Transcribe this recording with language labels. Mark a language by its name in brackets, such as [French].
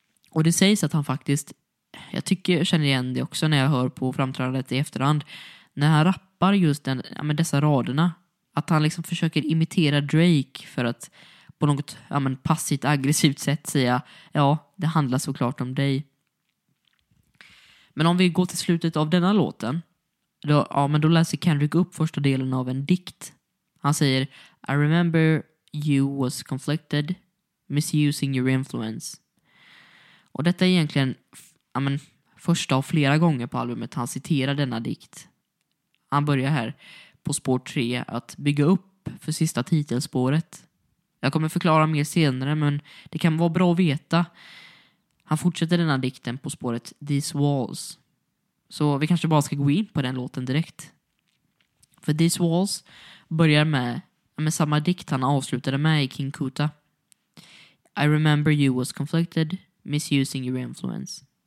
[Swedish] Och det sägs att han faktiskt, jag känner igen det också när jag hör på framträdandet i efterhand, när han rappar just dessa raderna, att han liksom försöker imitera Drake för att på något passivt aggressivt sätt säga, ja, det handlar såklart om dig. Men om vi går till slutet av denna låten, då läser Kendrick upp första delen av en dikt. Han säger, [English] I remember you was conflicted, misusing your influence. [Swedish] Och detta är egentligen första av flera gånger på albumet han citerar denna dikt. Han börjar här på spår 3 att bygga upp för sista titelspåret. Jag kommer förklara mer senare, men det kan vara bra att veta. Han fortsätter denna dikten på spåret These Walls. Så vi kanske bara ska gå in på den låten direkt. För These Walls börjar med samma dikt han avslutade med i King Kuta. [English] I remember you was conflicted, misusing your influence.